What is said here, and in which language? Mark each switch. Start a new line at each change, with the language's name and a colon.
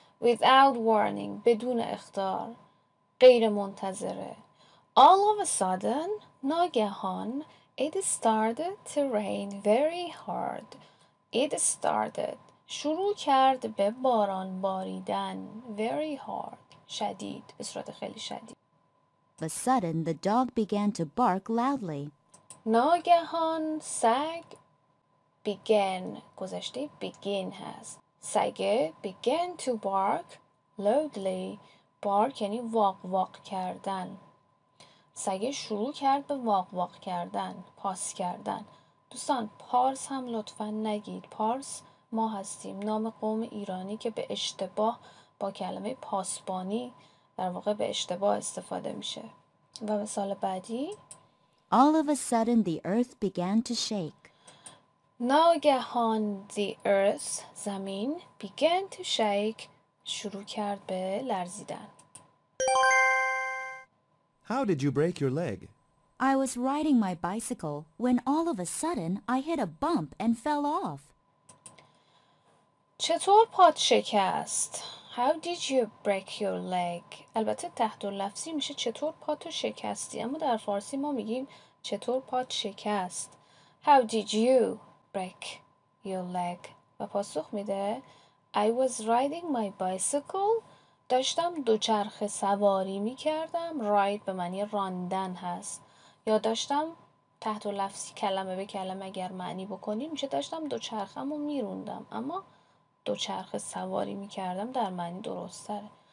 English: Without warning.
Persian: بدون اخطار. غیر منتظره.
English: All of a sudden.
Persian: ناگهان.
English: It started to rain very hard. It started.
Persian: شروع کرد به باران باریدن.
English: Very hard.
Persian: شدید. به صورت خیلی شدید.
English: But sudden the dog began to bark loudly.
Persian: ناگهان سگ began گذشته begin هست. سگه
English: began to bark loudly.
Persian: Bark یعنی واق واق کردن. سگه شروع کرد به واق واق کردن، پاس کردن. دوستان پارس هم لطفا نگید. پارس ما هستیم، نام قوم ایرانی که به اشتباه با کلمه پاسبانی در واقع به اشتباه استفاده میشه. و مثال بعدی
English: All of a sudden the earth began to shake.
Persian: ناگهان
English: the earth
Persian: زمین
English: began to shake
Persian: شروع کرد به لرزیدن.
English: How did you break your leg? I was riding my bicycle when all of a sudden I hit a bump and fell off.
Persian: چطور پات شکست؟
English: How did you break your leg?
Persian: البته تحت لفظی میشه چطور پاتو شکستی، اما در فارسی ما میگیم چطور پات شکست.
English: How did you break your leg؟
Persian: و پاسخ میده
English: I was riding my bicycle.
Persian: داشتم دوچرخه سواری میکردم. Ride به معنی راندن هست. یا داشتم تحت لفظی کلمه به کلمه اگر معنی بکنیم میشه داشتم دوچرخه‌مو میروندم، اما دوچرخه سواری میکردم در معنی درست‌تره.